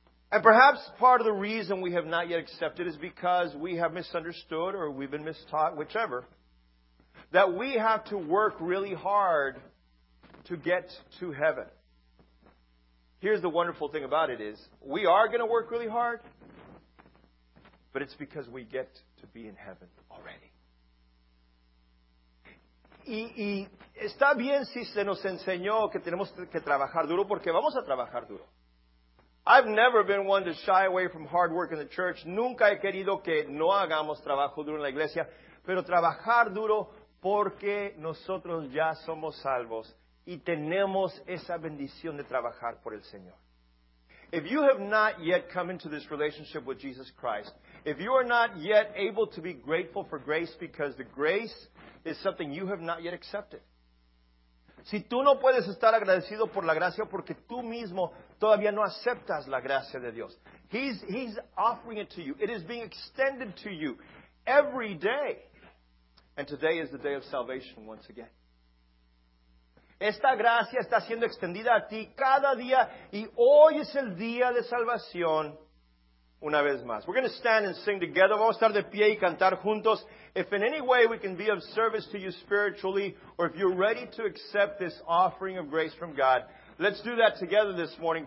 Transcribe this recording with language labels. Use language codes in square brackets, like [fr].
[en] And perhaps part of the reason we have not yet accepted is because we have misunderstood or we've been mistaught, whichever, that we have to work really hard to get to heaven. Here's the wonderful thing about it is we are going to work really hard, but it's because we get to be in heaven already. [es] Y está bien si se nos enseñó que tenemos que trabajar duro, porque vamos a trabajar duro. [en] I've never been one to shy away from hard work in the church. [es] Nunca he querido que no hagamos trabajo duro en la iglesia, pero trabajar duro porque nosotros ya somos salvos y tenemos esa bendición de trabajar por el Señor. [en] If you have not yet come into this relationship with Jesus Christ, if you are not yet able to be grateful for grace because the grace is something you have not yet accepted. [es] Si tú no puedes estar agradecido por la gracia porque tú mismo todavía no aceptas la gracia de Dios. [en] He's offering it to you. It is being extended to you every day. And today is the day of salvation once again. [es] Esta gracia está siendo extendida a ti cada día y hoy es el día de salvación una vez más. [en] We're going to stand and sing together. [es] Vamos a estar de pie y cantar juntos. [en] If in any way we can be of service to you spiritually, or if you're ready to accept this offering of grace from God, let's do that together this morning.